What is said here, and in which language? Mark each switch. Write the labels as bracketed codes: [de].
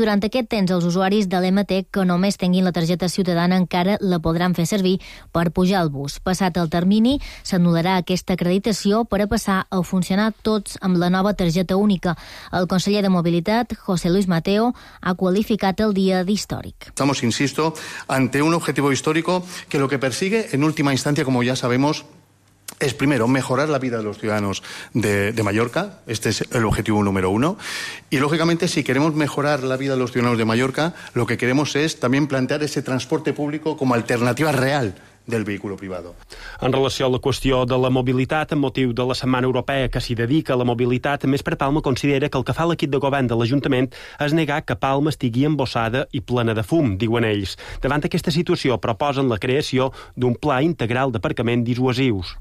[ca] Durant aquest temps, els usuaris de l'MT que només tinguin la targeta ciutadana encara la podran fer servir per pujar al bus. Passat el termini, s'anul·larà aquesta acreditació per a passar a funcionar tots amb la nova targeta única. El conseller de Mobilitat, José Luis Mateo, ha qualificat el dia d'històric. [es] Estamos, insisto, ante un objetivo histórico que lo que persigue, en última instancia, como ya sabemos, es primero mejorar la vida de los ciudadanos de Mallorca, este es el objetivo número uno, y lógicamente si queremos mejorar la vida de los ciudadanos de Mallorca, lo que queremos es también plantear ese transporte público como alternativa real del vehículo privado. [ca] En relació a la qüestió de la mobilitat, en motiu de la Setmana Europea que s'hi dedica a la mobilitat, més per Palma considera que el que fa l'equip de govern de l'Ajuntament és negar que Palma estigui embossada i plena de fum, diuen ells. Davant d'aquesta situació, proposen la creació d'un pla integral d'aparcament dissuasius.